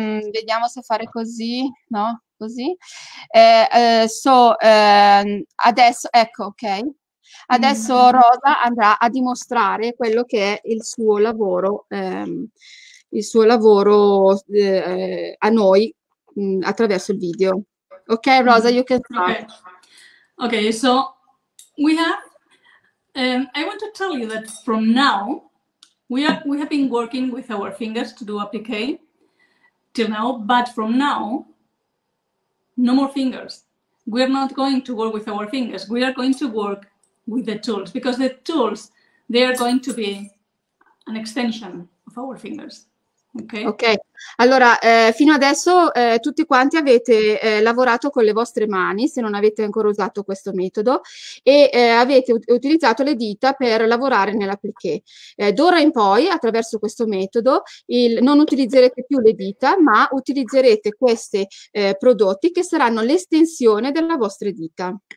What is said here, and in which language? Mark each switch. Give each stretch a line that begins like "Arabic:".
Italian: Vediamo se fare così, no? Così. Adesso, ecco, ok. Adesso Rosa andrà a dimostrare quello che è il suo lavoro a noi attraverso il video.
English: Okay, Rosa, you can start. Okay, so we have, I want to tell you that from now, we have been working with our fingers to do applique till now, but from now, no more fingers. We are not going to work with our fingers. We are going to work with the tools, because the tools, they are going to be an extension of our fingers. Okay.
Italian: Allora, fino adesso tutti quanti avete lavorato con le vostre mani, se non avete ancora usato questo metodo, e avete utilizzato le dita per lavorare nell'appliqué. D'ora in poi, attraverso questo metodo, non utilizzerete più le dita, ma utilizzerete questi prodotti che saranno l'estensione delle vostre dita.